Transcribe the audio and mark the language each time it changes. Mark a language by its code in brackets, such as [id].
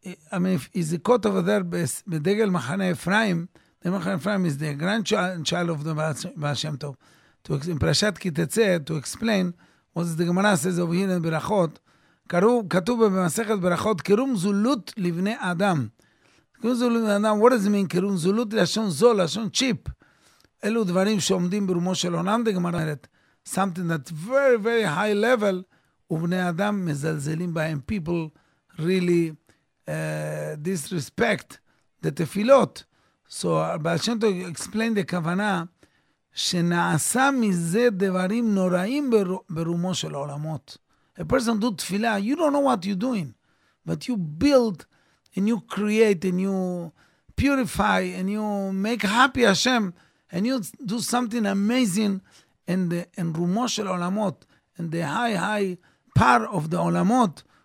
[en] And he's a quote over there, Bedegel Machane Ephraim. The Machane Ephraim is the grandchild of the Baal Shem Tov. In Parashat Ki Tetzeh, to explain what the Gemara says over here in Berachot. [he] כתוב במסכת ברכות, קירום זולות לבני אדם. קירום זולות לבני אדם, [en] what does it mean? [he] קירום זולות לשון זול, לשון צ'יפ. אלו דברים שעומדים ברומו של עולם, דגמר אומרת, [en] something that's very, very high level, [he] ובני אדם מזלזלים בהם. [en] People really disrespect the תפילות. [he] So, בעל שם טוב, [en] explain the [he] כוונה, שנעשה מזה דברים נוראים ברומו של עולמות. [en] A person do tefillah, you don't know what you're doing. But you build and you create and you purify and you make happy Hashem and you do something amazing in [he] Rumo Shel Olamot, [en] in the high part of the Olamot.